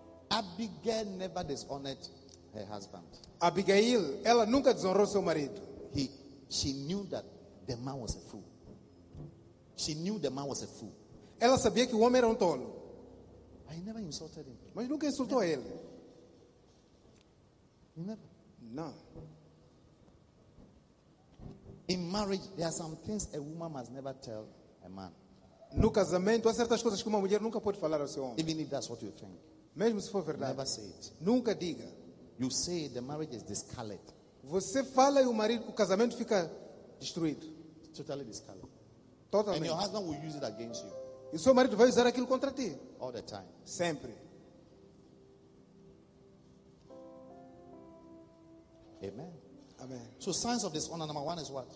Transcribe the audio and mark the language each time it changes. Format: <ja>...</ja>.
<en>Abigail never dishonored her husband.</en> <pt>Abigail, ela nunca desonrou seu marido.</pt> <en>She knew that the man was a fool. She knew the man was a fool.</en> <pt>Ela sabia que o homem era tolo.</pt> <en>I never insulted him.</en> <pt>Mas nunca insultou a ele.</pt> <en>Never. No. In marriage, there are some things a woman must never tell a man.</en> <pt>No casamento, há certas coisas que uma mulher nunca pode falar ao seu homem.</pt> <en>Even if that's what you think.</en> <pt>Mesmo se for verdade,</pt> <en>never say it.</en> <pt>Nunca diga.</pt> <en>You say the marriage is discolored.</en> <pt>Você fala e o casamento fica destruído.</pt> <en>Totally discolored.</en> <pt>Totalmente.</pt> <en>And your husband will use it against you.</en> <pt>E seu marido vai usar aquilo contra ti.</pt> <en>All the time.</en> <pt>Sempre.</pt> <en>Amen. Amen. So signs of dishonor number one is what?</en>